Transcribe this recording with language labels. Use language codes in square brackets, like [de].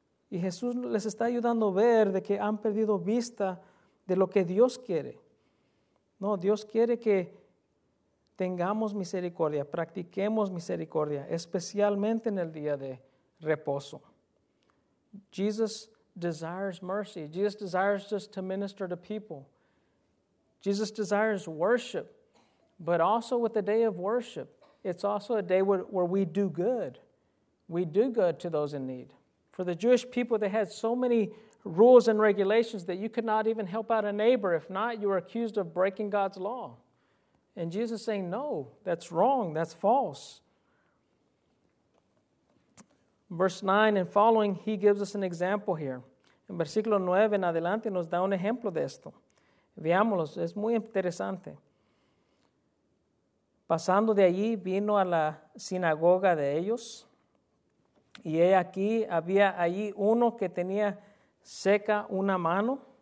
[es] Y Jesús les está ayudando a ver de que han perdido vista de lo que Dios quiere. No, Dios quiere que tengamos misericordia, practiquemos misericordia, especialmente en el día de reposo. [en] Jesus desires mercy. Jesus desires just to minister to people. Jesus desires worship, but also with the day of worship, it's also a day where we do good. we do good to those in need. For the Jewish people, they had so many rules and regulations that you could not even help out a neighbor. If not, you were accused of breaking God's law. And Jesus is saying, no, that's wrong, that's false. Verse 9 and following, he gives us an example here. [es] En versículo 9 en adelante nos da un ejemplo de esto. Veámoslos, es muy interesante. Pasando de allí, vino a la sinagoga de ellos. Y he aquí, había allí uno que tenía seca una mano.